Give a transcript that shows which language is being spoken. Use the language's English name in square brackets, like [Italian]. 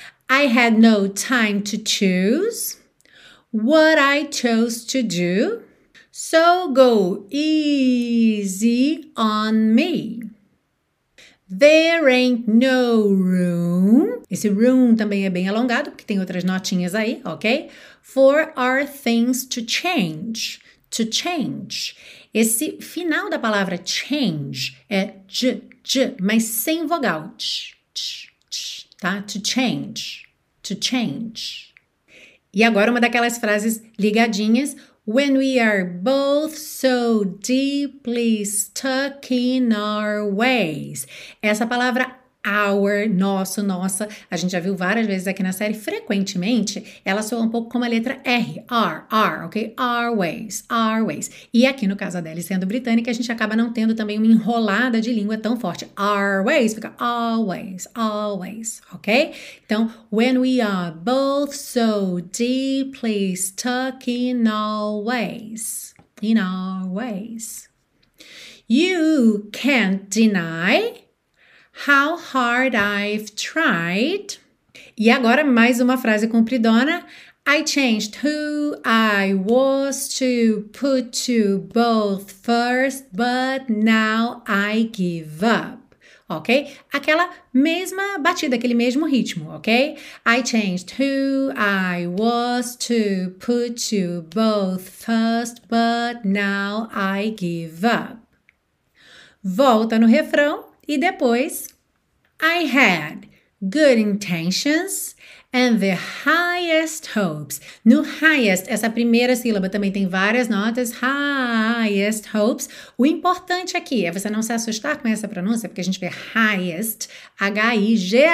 [English] I had no time to choose what I chose to do, so go easy on me. There ain't no room. [Portuguese] Esse room também é bem alongado, porque tem outras notinhas aí, ok? [English] For our things to change. To change. [Portuguese] Esse final da palavra change é j, j, mas sem vogal. [English] Ch, ch, ch, tá? To change. To change. [Portuguese] E agora uma daquelas frases ligadinhas. [English] When we are both so deeply stuck in our ways. [Portuguese] Essa palavra our, nosso, nossa, a gente já viu várias vezes aqui na série, frequentemente, ela soa um pouco como a letra R, R, R, ok? [English] Our ways, our ways. [Portuguese] E aqui no caso dela, sendo britânica, a gente acaba não tendo também uma enrolada de língua tão forte. [English] Our ways, fica always, always, ok? Então, when we are both so deeply stuck in our ways, in our ways. You can't deny how hard I've tried. [Portuguese] E agora mais uma frase compridona. [English] I changed who I was to put you both first, but now I give up. Ok? [Portuguese] Aquela mesma batida, aquele mesmo ritmo, ok? [English] I changed who I was to put you both first, but now I give up. [Portuguese] Volta no refrão. E depois, [English] I had good intentions and the highest hopes. [Portuguese] No highest, essa primeira sílaba também tem várias notas, [English] highest hopes. [Portuguese] O importante aqui é você não se assustar com essa pronúncia, porque a gente vê highest, H-I-G-H-E-S-T.